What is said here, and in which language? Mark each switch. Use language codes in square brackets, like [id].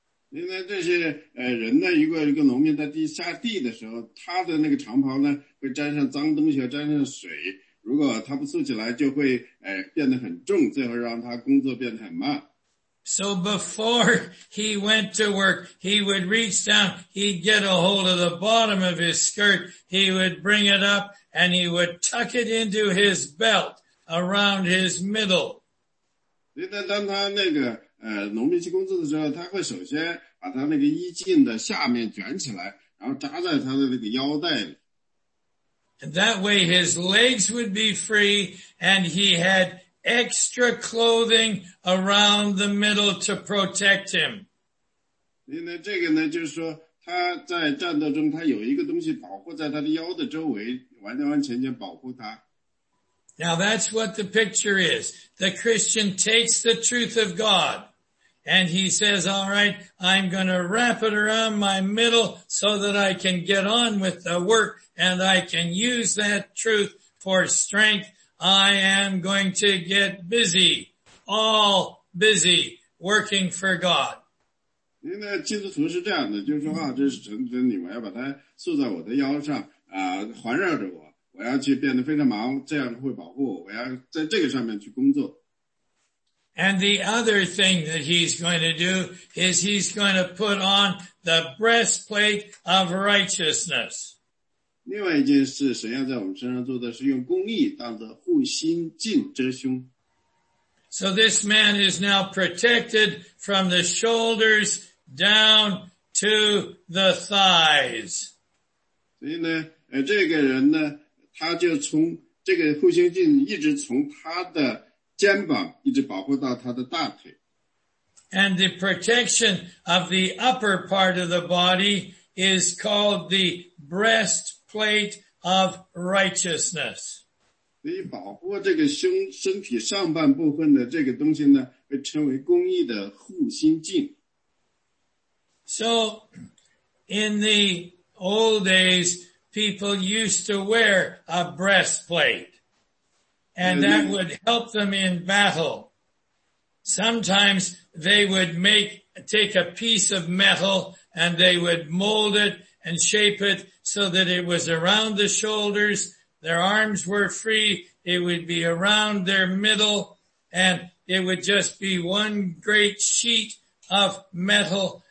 [zh] 因为这些人呢，如果一个农民在地下地的时候，他的那个长袍呢，会沾上脏东西，沾上水。如果他不竖起来，就会变得很重，最后让他工作变得很慢。 [en] So before he went to work, he would reach down, he'd get a hold of the bottom of his skirt, he would bring it up, and he would tuck it into his belt around his middle. [zh] 因为当他那个农民去工作的时候，他会首先把他那个衣襟的下面卷起来，然后扎在他的那个腰带里。 [en] And that way his legs would be free, and he had extra clothing around the middle to protect him. [zh] 因为这个呢，就是说他在战斗中，他有一个东西保护在他的腰的周围，完完全全保护他。 [en] Now that's what the picture is. The Christian takes the truth of God, and he says, "All right, I'm going to wrap it around my middle so that I can get on with the work, and I can use that truth for strength." I am going to get busy, all busy, working for God. [zh] 因为基督徒是这样的，就是说这是真真理，我要把它束在我的腰上，环绕着我，我要去变得非常忙，这样会保护我，我要在这个上面去工作。 [en] And the other thing that he's going to do is he's going to put on the breastplate of righteousness. [zh] 另外一件事神要在我们身上做的是用公义当作护心镜遮胸。 [en] So this man is now protected from the shoulders down to the thighs. [zh] 所以呢，这个人呢，他就从这个护心镜一直从他的肩膀一直保护到他的大腿。 [en] And the protection of the upper part of the body is called the breastplate of righteousness. [zh] 所以保护这个身体上半部分的这个东西呢，被称为公义的护心镜。 [en] So, in the old days, people used to wear a breastplate, and that would help them in battle. Sometimes they would take a piece of metal and they would mold it and shape it so that it was around the shoulders, their arms were free, it would be around their middle, and it would just be one great sheet of metal.